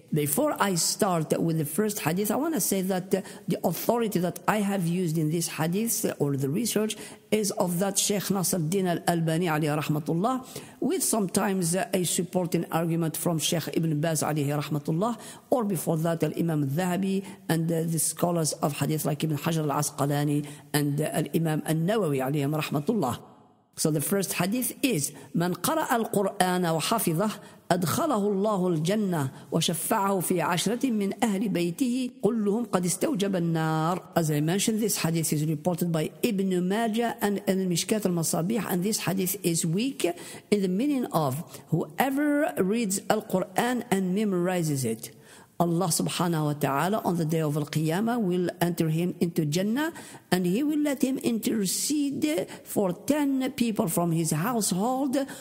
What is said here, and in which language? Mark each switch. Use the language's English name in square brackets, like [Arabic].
[English] Before I start with the first hadith, I want to say that the authority that I have used in this hadith or the research is of that Sheikh Nasruddin al-Albani alayhi rahmatullah, with sometimes a supporting argument from Sheikh Ibn Baz alayhi rahmatullah, or before that al-Imam al-Dhahabi and the scholars of hadith like Ibn Hajar al-Asqalani and al-Imam al-Nawawi alayhi rahmatullah. So the first hadith is, [Arabic] من قرأ القرآن وحفظه أدخله الله الجنة وشفعه في عشرة من أهل بيته قلهم قد استوجب النار. [English] As I mentioned, this hadith is reported by Ibn Majah and in the Mishkat al-Masabih, and this hadith is weak in the meaning of whoever reads al-Quran and memorizes it, Allah subhanahu wa ta'ala on the day of Al-Qiyamah will enter him into Jannah, and he will let him intercede for 10 people from his household.